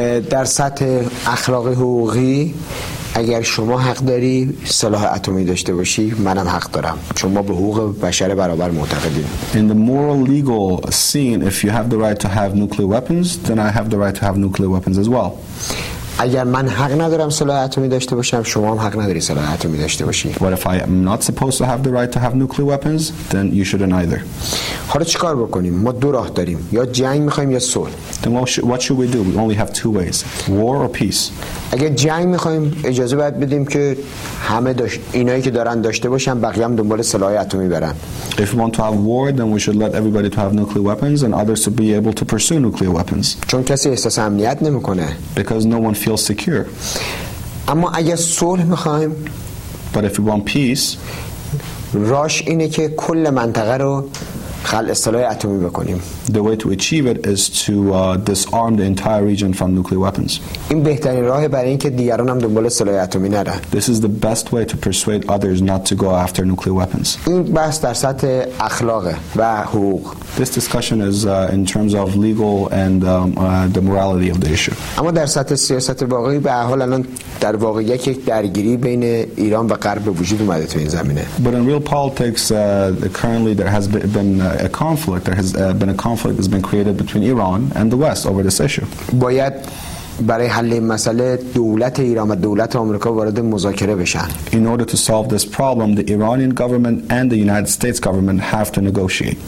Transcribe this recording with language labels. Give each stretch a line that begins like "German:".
Persian: در سطح اخلاقی حقوقی اگر شما حق داری سلاح اتمی داشته باشی منم حق دارم چون ما به حقوق بشر برابر معتقدیم.
English: In the moral legal scene, if you have the right to have nuclear weapons, then I have the right to have nuclear weapons as well.
Persian: اگر من حق ندارم سلاح اتمی داشته باشم شما هم حق نداری سلاح اتمی داشته باشی.
English: What if I am not supposed to have the right to have nuclear weapons, then you shouldn't either.
Persian: حالا چیکار بکنیم؟ ما دو راه داریم، یا جنگ می‌خوایم یا صلح.
English: Then what should we do? We only have two ways, war or peace.
Persian: اگر جنگ می‌خوایم اجازه باید بدیم که همه اینایی که دارن داشته باشن بقیه هم دنبال سلاح اتمی برن.
English: If we want to have war, then we should let everybody to have nuclear weapons and others to be able to pursue nuclear weapons.
Persian: چون کسی احساس امنیت نمی‌کنه.
English: Because no one feels secure.
Persian: اما اگر صلح می‌خوایم،
English: but if we want peace,
Persian: راش اینه که کل منطقه رو خلع سلاح اتمی بکنیم.
English: The way to achieve it is to disarm the entire region from nuclear weapons.
Persian: این بهترین راهه برای اینکه دیگران هم دنبال سلاح اتمی نره.
English: This is the best way to persuade others not to go after nuclear weapons.
Persian: این بحث در سطح اخلاق و حقوق.
English: This discussion is in terms of legal and the morality of the issue.
Persian: اما در سطح سیاست واقعی به هر حال الان در واقع یک درگیری بین ایران و غرب به وجود اومده تو این زمینه.
English: But in real politics, currently there has been a conflict. There has been a conflict that's been created between Iran and the West over this issue.
Persian: باید برای حل این مسئله دولت ایران و دولت آمریکا وارد مذاکره بشن.
English: In order to solve this problem, the Iranian government and the United States government have to negotiate.